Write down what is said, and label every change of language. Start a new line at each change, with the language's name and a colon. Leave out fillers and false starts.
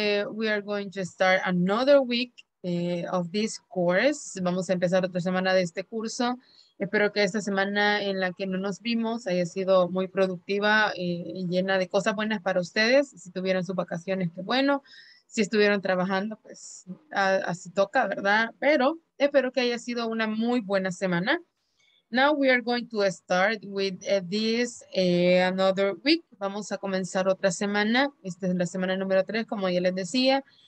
English: We are going to start another week of this course.
Spanish: Vamos a empezar otra semana de este curso. Espero que esta semana en la que no nos vimos haya sido muy productiva y llena de cosas buenas para ustedes. Si tuvieron sus vacaciones, qué bueno. Si estuvieron trabajando, pues así toca, ¿verdad? Pero espero que haya sido una muy buena semana.
English: Now we are going to start with this another week.
Spanish: Vamos a comenzar otra semana. Esta es la semana número 3, como ya les decía.